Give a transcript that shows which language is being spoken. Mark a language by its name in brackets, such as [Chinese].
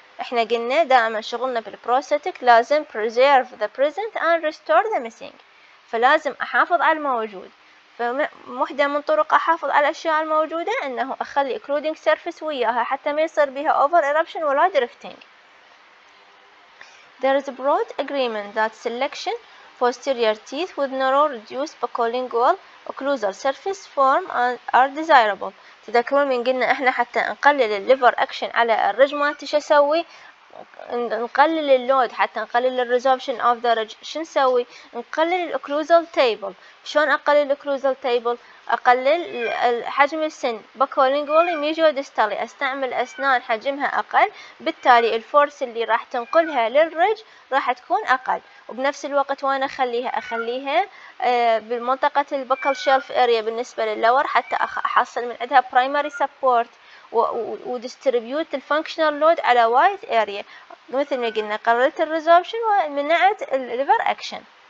[Arabic] احنا قلنا دائما شغلنا بالبروستيك لازم [English] preserve the present and restore the missing [Arabic] فلازم احافظ على الموجود. فوحدة من طرق احافظ على الاشياء الموجوده انه اخلي اكلودينج سيرفيس وياها حتى ما يصير بها اوفر ايربشن ولا دريفتنج. [English] There is a broad agreement that selection posterior teeth with narrow reduced bicolingual occlusal surface form are desirable. [Arabic] تذكرون من قلنا احنا حتى نقلل الليفر اكشن على الرجمات شو اسوي؟ نقلل اللود حتى نقلل الريزوبشن اوف ذا رج شو نسوي؟ نقلل الاوكلوزال تيبل. شلون اقلل الاوكلوزال تيبل؟ اقلل حجم السن بكولينجول ميجو ديستالي استعمل اسنان حجمها اقل بالتالي الفورس اللي راح تنقلها للرج راح تكون اقل وبنفس الوقت وانا اخليها بالمنطقة البكال شيلف اريا بالنسبة للور حتى احصل من عندها برايمري سبورت وديستريبيوت الفانكشنال لود على وايد اريا مثل ما قلنا قررت الريزوبشن ومنعت الليفر اكشن.